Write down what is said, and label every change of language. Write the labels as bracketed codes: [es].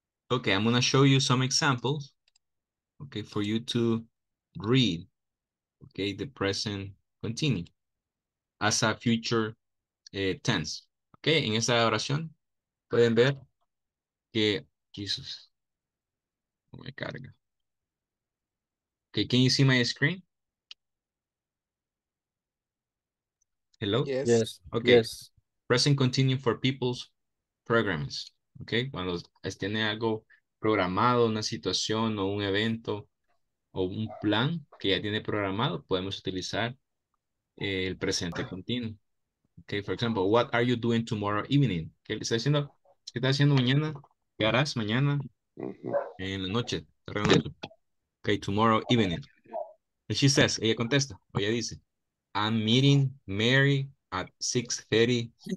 [en] Okay, I'm going to show you some examples, okay, for you to read, okay, the present continue as a future tense, okay? [es] En esta oración pueden ver que, Jesus, me carga. [en] Okay, can you see my screen? Hello? Yes. Okay, yes. Present continue for people's programs. [es] Okay, cuando tiene algo programado, una situación o un evento o un plan que ya tiene programado, podemos utilizar el presente continuo. [en] Okay, for example, what are you doing tomorrow evening? [es] ¿Qué está haciendo? ¿Qué está haciendo mañana? ¿Qué harás mañana en la noche? [en] Okay, tomorrow evening. And she says, [es] ella contesta, o ella dice, [en] I'm meeting Mary at 6:30.